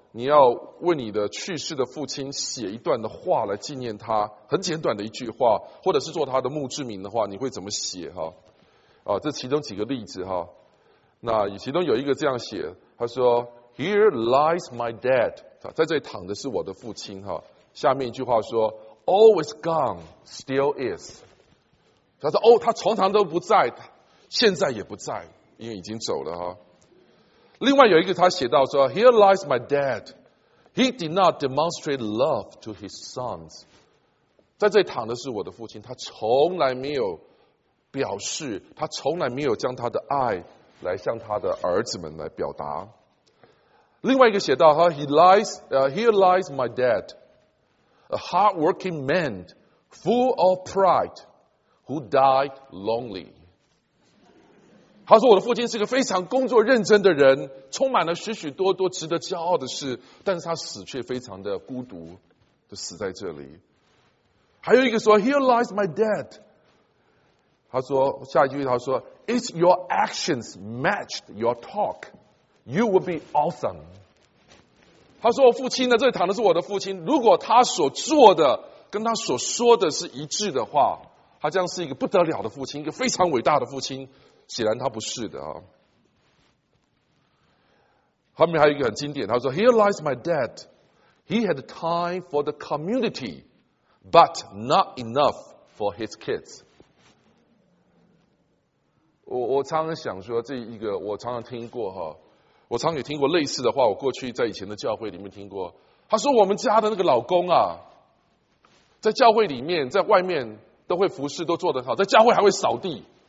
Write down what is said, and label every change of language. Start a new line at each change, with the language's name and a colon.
Chinese: 你要为你的去世的父亲写一段的话来纪念他，很简短的一句话，或者是做他的墓志铭的话，你会怎么写哈？啊，这其中几个例子哈。那其中有一个这样写，他说 ：
English: “Here lies my dad。”
Chinese: 在这里躺的是我的父亲哈。下面一句话说 ：
English: “Always gone, still is。”
Chinese: 他说：“哦，他常常都不在，现在也不在，因为已经走了哈。” 另外有一个他写到说 ：
English: “Here lies my dad. He did not demonstrate love to his sons。”
Chinese: 在这里躺的是我的父亲，他从来没有表示，他从来没有将他的爱来向他的儿子们来表达。另外一个写到哈
English: ，Here lies my dad, a hardworking man, full of pride, who died lonely。”
Chinese: 他说我的父亲是个非常工作认真的人，充满了许许多多值得骄傲的事，但是他死却非常的孤独，就死在这里。
English: 还有一个说 ,Here lies my dad.
Chinese: 他说下一句他说
English: ,If your actions matched your talk, you would be awesome.
Chinese: 他说我父亲呢，这里躺的是我的父亲，如果他所做的跟他所说的是一致的话，他将是一个不得了的父亲，一个非常伟大的父亲。显然他不是的啊。后面还有一个很经典，他说 ：
English: “Here lies my dad. He had time for the community, but not enough for his kids。”
Chinese: 我常常想说这一个，我常常听过哈，我常也听过类似的话。我过去在以前的教会里面听过，他说我们家的那个老公啊，在教会里面，在外面都会服侍，都做得很好，在教会还会扫地。